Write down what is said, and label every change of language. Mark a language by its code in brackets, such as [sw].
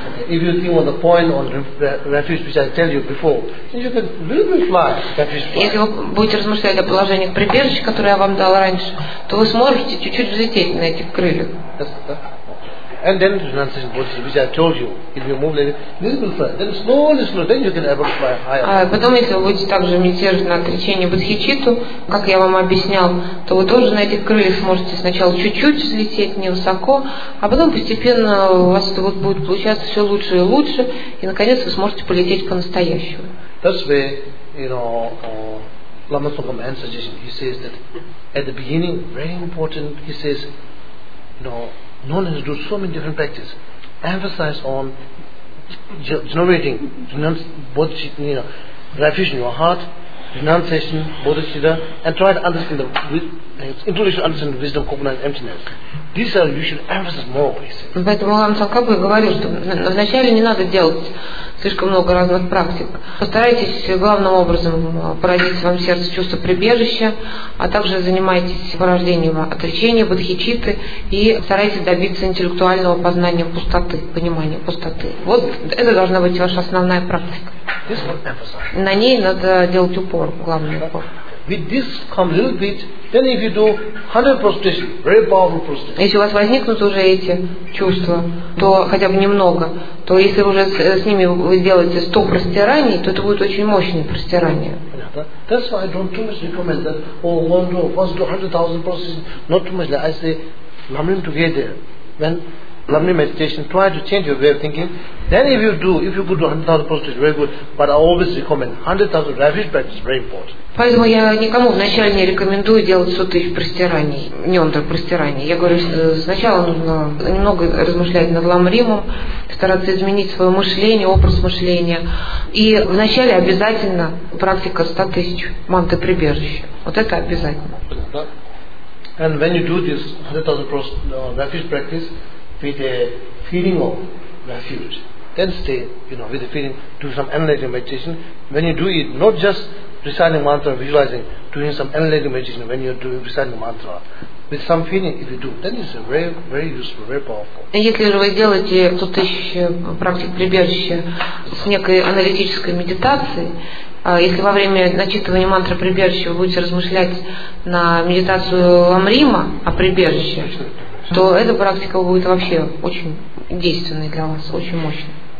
[en] If you think on the point on refuge, which I tell you before, you can really fly. Refuge. [ru] Если вы будете размышлять о положении прибежища, которое я вам дал раньше, то вы сможете чуть-чуть взлететь на этих крыльях. [en] And then renunciation process, which I told you, if you move like this, you will fly. Then slowly, slowly, then you can ever fly higher. [ru] А потом, если вы будете также медитировать на отречение бодхичитту, как я вам объяснял, то вы тоже на этих крыльях сможете сначала чуть-чуть взлететь невысоко, а потом постепенно у вас это вот будет получаться все лучше и лучше, и наконец вы сможете полететь по-настоящему. [en] That's where, you know, Lama Tsongkhapa answers. He says that at the beginning, very important. He says, you know. Known as do so many different practices, emphasize on generating bodhicitta, you know, refuge in your heart, renunciation, bodhicitta, and try to understand the intuition, understand the wisdom, cognize emptiness. These are you should emphasize more, please. [ru] Поэтому Лама Цонгпа говорил, что вначале не надо делать слишком много разных практик. Постарайтесь главным образом породить в вам сердце чувство прибежища, а также занимайтесь порождением отречения, бодхичитты и старайтесь добиться интеллектуального познания пустоты, понимания пустоты. Вот это должна быть ваша основная практика. На ней надо делать упор, главный упор. [en] with this come little bit, then if you do 100 prostration, very powerful prostration. [ru] Если у вас возникнут уже эти чувства, то хотя бы немного, то если уже с ними вы сделаете 100 простираний, то это будет очень мощное простирание. [en] That's why I don't too much recommend that. Oh, one do, first do 100,000 prostration. Not too much. I say, lamrim together. When lamrim meditation, try to change your way of thinking. Then if you do, if you could do 100,000 prostration, very good. But I always recommend 100,000 refuge practice, very important. [ru] Поэтому я никому вначале не рекомендую делать 100 тысяч простираний, нёндра простираний. Я говорю, сначала нужно немного размышлять над ламримом, стараться изменить своё мышление, образ мышления. И вначале обязательно практика 100 тысяч манты прибежища. Вот это обязательно. [en] And when you do this 100,000 refuge practice with a feeling of refuge, then stay, you know, with the feeling, do some analytic meditation. When you do it, not just reciting mantra, visualizing, doing some analytic meditation when you're doing reciting mantra, with some feeling, if you do, then it's very, very useful, very powerful. [ru] Если же вы делаете 100 тысяч практик прибежища с некой аналитической медитацией, если во время начитывания мантры прибежища вы будете размышлять на медитацию ламрима о прибежище, то эта практика будет вообще очень действенной для вас, очень мощной.